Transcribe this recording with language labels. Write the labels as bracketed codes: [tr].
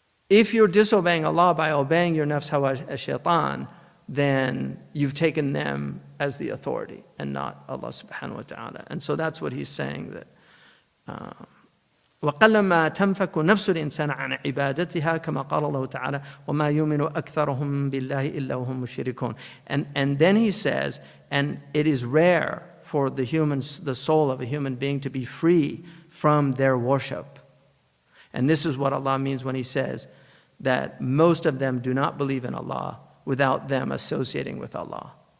[en] If you're disobeying Allah by obeying your nafs hawa ash-shaytan, then you've taken them as the authority and not Allah subhanahu wa ta'ala. And so that's what he's saying, that [ar] وَقَلَّمَا تَنْفَكُ نَفْسُ الْإِنسَانَ عَنَ عِبَادَتِهَا كَمَا قَالَ اللَّهُ تَعَالَى وَمَا يُؤْمِنُ أَكْثَرُهُمْ بِاللَّهِ إِلَّا هُمْ مُشْرِكُونَ. [en] And then he says, and it is rare for the humans, the soul of a human being, to be free from their worship. And this is what Allah means when he says that most of them do not believe in Allah without them associating with Allah.